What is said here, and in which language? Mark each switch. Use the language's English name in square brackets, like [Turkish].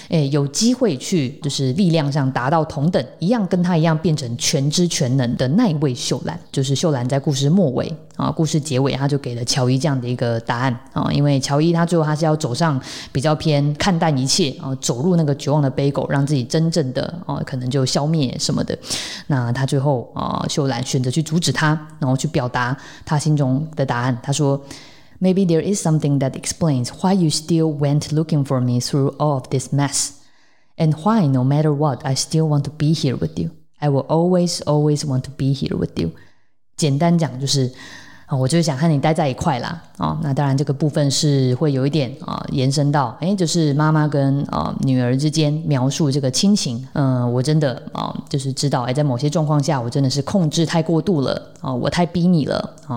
[Chinese] 有机会去就是力量上达到同等，一样跟他一样变成全知全能的那一位秀兰，就是秀兰在故事末尾故事结尾，他就给了乔伊这样的一个答案因为乔伊他最后他是要走上比较偏看淡一切走入那个绝望。的bagel让自己真正的可能就消灭什么的，那他最后秀兰选择去阻止他，然后去表达他心中的答案，他说 [English] Maybe there is something that explains why you still went looking for me through all of this mess and why no matter what I still want to be here with you I will always always want to be here with you。 [Chinese] 简单讲就是我就是想和你待在一块啦那当然这个部分是会有一点延伸到就是妈妈跟女儿之间描述这个亲情我真的就是知道在某些状况下我真的是控制太过度了我太逼你了